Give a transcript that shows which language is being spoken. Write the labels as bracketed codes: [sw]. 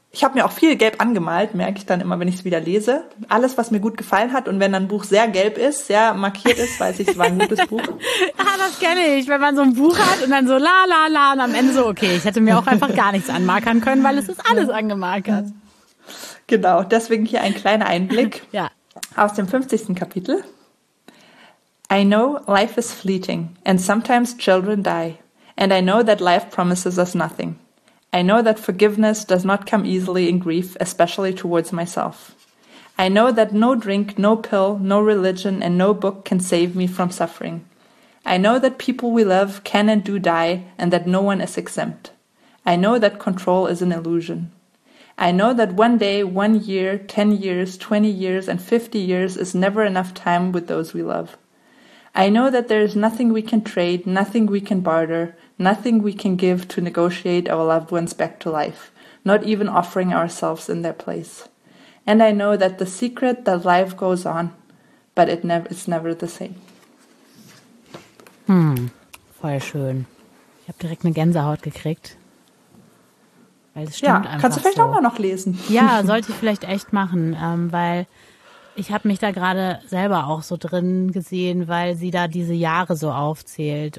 [de] Ich habe mir auch viel gelb angemalt, merke ich dann immer, wenn ich es wieder lese. Alles, was mir gut gefallen hat und wenn dann ein Buch sehr gelb ist, sehr markiert ist, weiß ich, es war ein gutes Buch. Ah, das kenne ich, wenn man so ein Buch hat und dann so la la la und am Ende so, okay, ich hätte mir auch einfach gar nichts anmarkern können, weil es ist alles angemarkert. Genau, deswegen hier ein kleiner Einblick ja. aus dem 50. Kapitel. [en] I know life is fleeting and sometimes children die. And I know that life promises us nothing. I know that forgiveness does not come easily in grief, especially towards myself. I know that no drink, no pill, no religion, and no book can save me from suffering. I know that people we love can and do die, and that no one is exempt. I know that control is an illusion. I know that one day, 1 year, 10 years, 20 years, and 50 years is never enough time with those we love. I know that there is nothing we can trade, nothing we can barter, nothing we can give to negotiate our loved ones back to life, not even offering ourselves in their place. And I know that the secret that life goes on, but it's never the same. [de] Voll schön. Ich habe direkt eine Gänsehaut gekriegt. Weil es stimmt einfach so. Ja, kannst du vielleicht auch mal noch lesen? Ja, sollte ich vielleicht echt machen, weil... Ich habe mich da gerade selber auch so drin gesehen, weil sie da diese Jahre so aufzählt.